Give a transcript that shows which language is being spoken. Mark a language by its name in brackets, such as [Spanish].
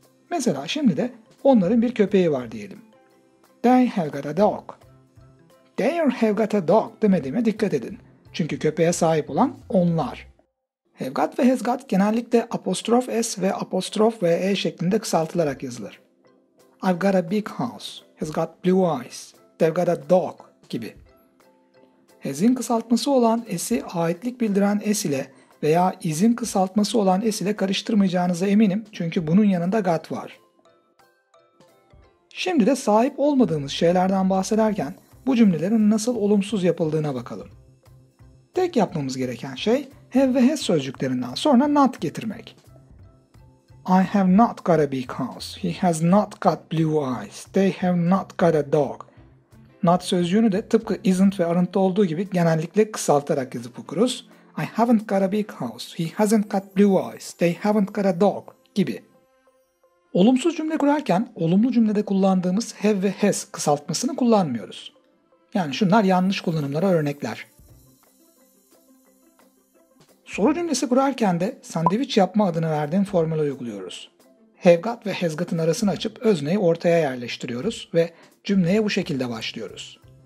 [Turkish] Mesela şimdi de onların bir köpeği var diyelim. [English] They have got a dog. They have got a dog [Turkish] demediğime dikkat edin. Çünkü köpeğe sahip olan onlar. Have got ve has got genellikle apostrof s ve apostrof ve e şeklinde kısaltılarak yazılır. [English] I've got a big house, has got blue eyes, they've got a dog gibi. [Turkish] Has'in kısaltması olan s'i aitlik bildiren s ile veya is'in kısaltması olan s ile karıştırmayacağınıza eminim çünkü bunun yanında got var. Şimdi de sahip olmadığımız şeylerden bahsederken bu cümlelerin nasıl olumsuz yapıldığına bakalım. Tek yapmamız gereken şey have ve has sözcüklerinden sonra not getirmek. [English] I have not got a big house. He has not got blue eyes. They have not got a dog. [Turkish] Not sözcüğünü de tıpkı isn't ve aren't olduğu gibi genellikle kısaltarak yazıp okuruz. [English] I haven't got a big house. He hasn't got blue eyes. They haven't got a dog gibi. [Turkish] Olumsuz cümle kurarken olumlu cümlede kullandığımız have ve has kısaltmasını kullanmıyoruz. Yani şunlar yanlış kullanımlara örnekler. Soru cümlesi kurarken de sandviç yapma adını verdiğim formülü uyguluyoruz. Have got ve has got'ın arasını açıp özneyi ortaya yerleştiriyoruz ve cümleye bu şekilde başlıyoruz.